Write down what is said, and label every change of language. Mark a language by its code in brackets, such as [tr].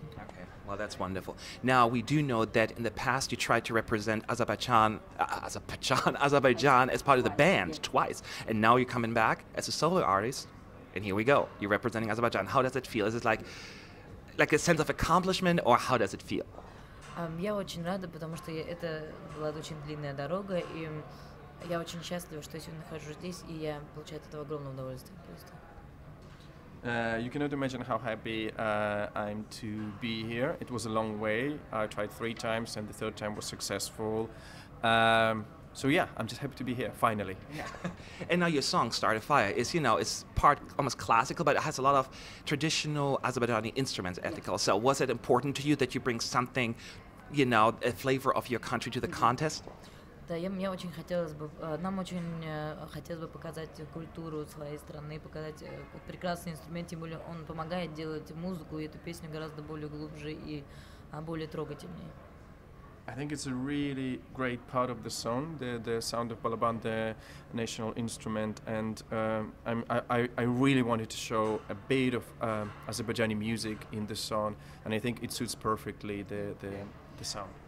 [en] Okay, well, that's wonderful. Now, we do know that in the past you tried to represent Azerbaijan as part of the band twice, and now you're coming back as a solo artist, and here we go, you're representing Azerbaijan. How does it feel? Is it like a sense of accomplishment, or how does it feel? [ru] Я очень рада, потому что это была очень длинная дорога, и я очень счастлива, что я сегодня нахожусь здесь, и я получаю от этого огромное удовольствие просто. [en] You cannot imagine how happy I'm to be here. It was a long way. I tried three times, and the third time was successful. So yeah, I'm just happy to be here, finally. Yeah. And now your song, Start a Fire, is, you know, it's part almost classical, but it has a lot of traditional Azerbaijani instruments, ethical. Yeah. So was it important to you that you bring something, you know, a flavor of your country to the contest? [ru] Да, я очень хотелось бы, нам очень хотелось бы показать культуру своей страны, показать прекрасный инструмент, тем более он помогает делать музыку и эту песню гораздо более глубже и более трогательнее. [en] I think it's a really great part of the song, the sound of balaban, the national instrument, and I really wanted to show a bit of Azerbaijani music in the song, and I think it suits perfectly the sound.